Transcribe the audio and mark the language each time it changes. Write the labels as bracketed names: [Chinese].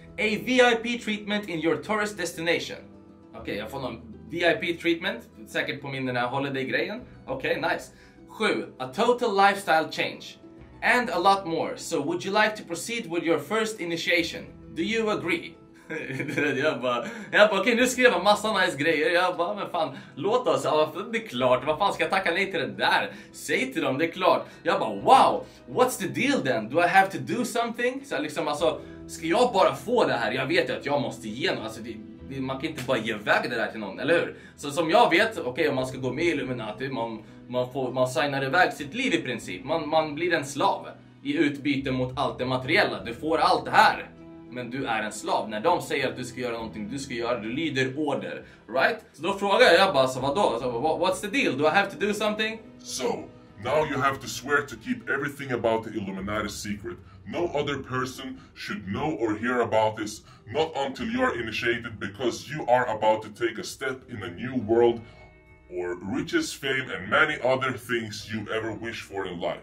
[English] A VIP treatment in your tourist destination. [Swedish] Okej, jag får någon VIP treatment. Säkert på min den här holiday-grejen. Okej, nice. 7. [English] A total lifestyle change. And a lot more. So would you like to proceed with your first initiation? Do you agree? [Swedish] Jag bara, okej, nu skrev jag massa nice grejer. Jag bara, men fan, låt oss. Ja, det är klart, vad fan, ska jag tacka nej till det där? Säg till dem, det är klart. Jag bara, [English] wow, what's the deal then? Do I have to do something? [Swedish] Så liksom, alltså, ska jag bara få det här? Jag vet ju att jag måste ge något. Alltså, man kan inte bara ge iväg det där till någon, eller hur? Så som jag vet, okej, om man ska gå med i Illuminati, man signar iväg sitt liv i princip. Man blir en slav i utbyte mot allt det materiella. Du får allt det här. Men du är en slav. När de säger att du ska göra någonting, du ska göra, du lyder order, right? Så då frågar jag bara, så vadå? [English] Så, what's the deal? Do I have to do something? So, now you have to swear to keep everything about the Illuminati secret. No other person should know or hear about this, not until you are initiated, because you are about to take a step in a new world or riches, fame and many other things you ever wish for in life.